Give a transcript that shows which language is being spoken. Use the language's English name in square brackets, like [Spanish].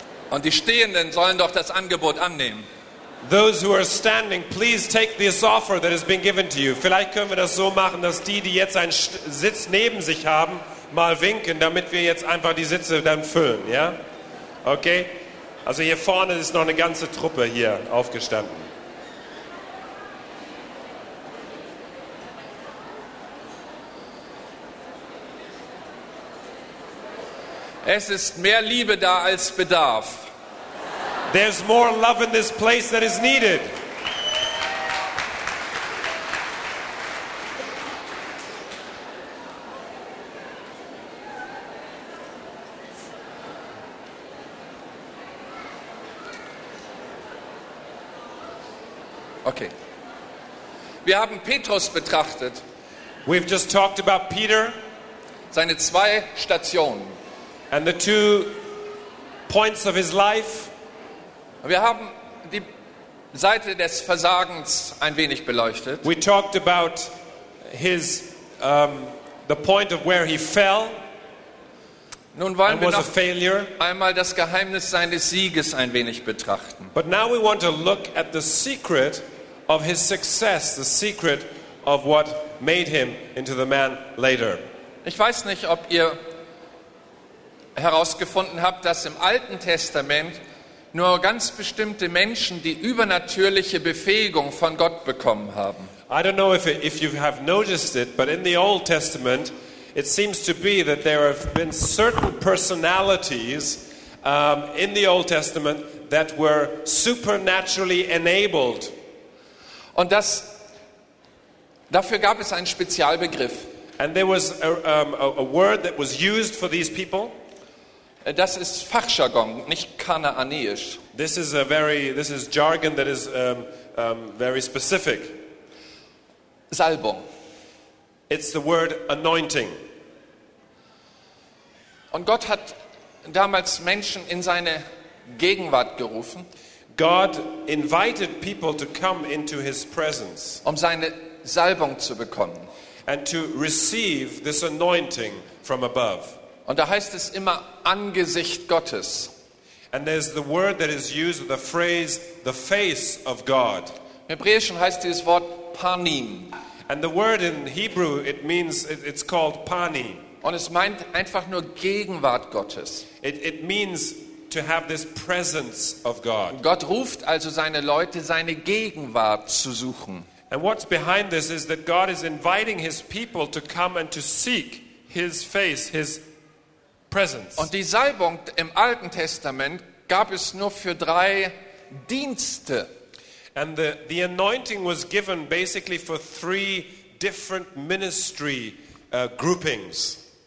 [German] Und die Stehenden sollen doch das Angebot annehmen. [English] Those who are standing, please take this offer that has been given to you. [German] Vielleicht können wir das so machen, dass die, die jetzt einen Sitz neben sich haben, mal winken, damit wir jetzt einfach die Sitze dann füllen, ja? Okay? Also hier vorne ist noch eine ganze Truppe hier aufgestanden. Es ist mehr Liebe da als Bedarf. [English] There's more love in this place that is needed. Okay. [German] Wir haben Petrus betrachtet. [English] We've just talked about Peter. [German] Seine zwei Stationen. [English] And the two points of his life. [German] Wir haben die Seite des Versagens ein wenig beleuchtet. [English] We talked about his the point of where he fell. [German] Nun wollen wir noch einmal das Geheimnis seines Sieges ein wenig betrachten. [English] But now we want to look at the secret of his success, the secret of what made him into the man later. [German] Ich weiß nicht, ob ihr herausgefunden habt, dass im Alten Testament nur ganz bestimmte Menschen die übernatürliche Befähigung von Gott bekommen haben. [English] I don't know if you have noticed it, but in the Old Testament it seems to be that there have been certain personalities in the Old Testament that were supernaturally enabled. [German] Und das dafür gab es einen Spezialbegriff. [English] And there was a word that was used for these people. [German] Das ist Fachjargon, nicht kanaanisch. [English] This is jargon that is very specific. [German] Salbung. [English] It's the word anointing. [German] Und Gott hat damals Menschen in seine Gegenwart gerufen. [English] God invited people to come into his presence. [German] Um seine Salbung zu bekommen. [English] And to receive this anointing from above. [German] Und da heißt es immer Angesicht Gottes. [English] And there's the word that is used, the phrase, the face of God. [German] Im Hebräischen heißt dieses Wort Panim. [English] And the word in Hebrew, it's called Pani. [German] Und es meint einfach nur Gegenwart Gottes. [English] It means to have this presence of God. [German] Gott ruft also seine Leute, seine Gegenwart zu suchen. [English] And what's behind this is that God is inviting his people to come and to seek his face, his presence. [German] Und die Salbung im Alten Testament gab es nur für drei Dienste. [English] And the anointing was given basically for three different ministry groupings.